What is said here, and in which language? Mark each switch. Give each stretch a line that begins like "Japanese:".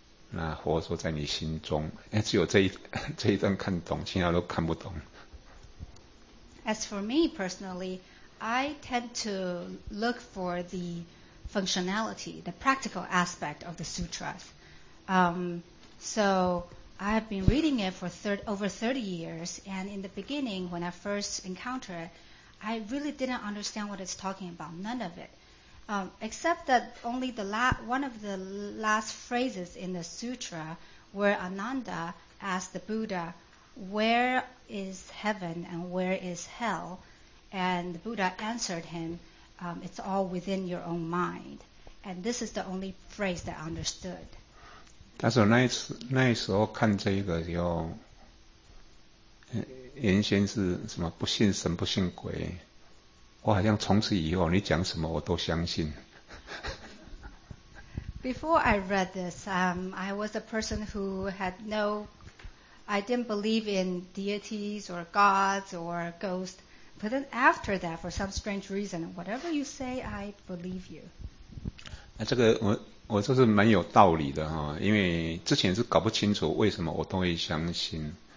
Chinese: 那佛说在你心中，只有这一段看懂，其他都看不懂。
English: As for me personally, I tend to look for the functionality, the practical aspect of the sutras. So I have been reading it for over 30 years, and in the beginning, when I first encountered it, I really didn't understand what it's talking about, none of it. Except that only the one of the last phrases in the sutra where Ananda asked the Buddha, where is heaven and where is hell? And the Buddha answered him, it's all within your own mind. And this is the only phrase that I understood.
Chinese: 但是那一时候看这一个就原先是什么不信神不信鬼，我好像从此以后你讲什么我都相信。
English: Before I read this, I was a person who had no, I didn't believe in deities or gods or ghosts. But then after that, for some strange reason, whatever you say, I believe you.
Chinese: 那这个我这是蛮有道理的哈，因为之前是搞不清楚为什么我都会相信。